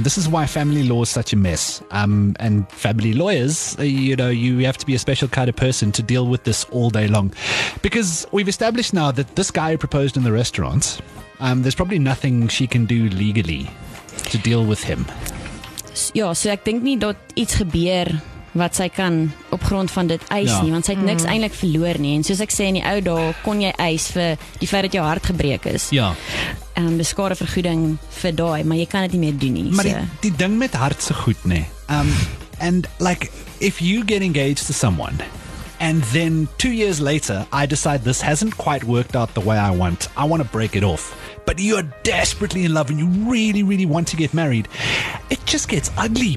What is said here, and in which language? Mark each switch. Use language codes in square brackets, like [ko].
[en] This is why family law is such a mess. And family lawyers, you know, you have to be a special kind of person to deal with this all day long. Because we've established now that this guy who proposed in the restaurant, there's probably nothing she can do legally to deal with him. [af] Ja, so ek dink nie dat iets gebeur wat sy kan op grond van dit eis nie, want sy het niks eintlik verloor nie. En soos ek sê, in die ou dae kon jy eis vir die feit dat jou hart gebreek is. Ja. Beskare vergoeding vir daai, maar jy kan dit nie meer doen nie. Maar die ding met hart se goed nê. [en] And like, if you get engaged to someone and then 2 years later I decide this hasn't quite worked out the way I want to break it off, but you are desperately in love and you really, really want to get married, it just gets ugly.